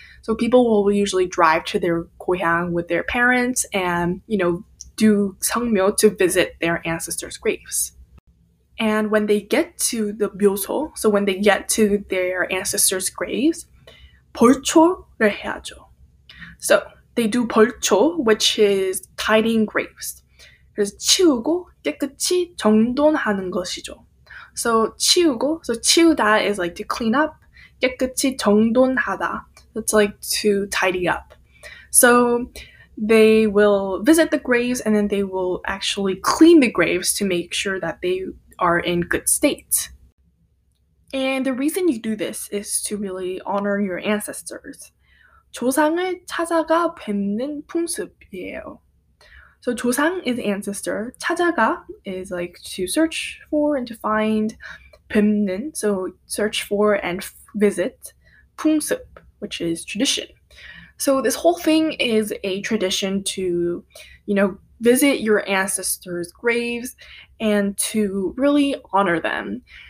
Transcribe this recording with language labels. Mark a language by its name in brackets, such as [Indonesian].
[English] So people will usually drive to their 고향 with their parents and, you know, do 성묘 to visit their ancestors' graves. And when they get to the 묘소, so when they get to their ancestors' graves, [Korean] 벌초를 해야죠. [English] So they do 벌초, which is tidying graves. [Korean] 그래서 치우고 깨끗이 정돈하는 것이죠. [English] So 치우고, so 치우다 is like to clean up, [Korean] 깨끗이 정돈하다. [English] It's like to tidy up. So they will visit the graves and then they will actually clean the graves to make sure that they are in good state. And the reason you do this is to really honor your ancestors. [Korean] 조상을 찾아가 뵙는 풍습이에요. [English] So 조상 is ancestor, 찾아가 is like to search for and to find, 뵙는, so search for and visit, 풍습, which is tradition. So this whole thing is a tradition to, you know, visit your ancestors' graves and to really honor them.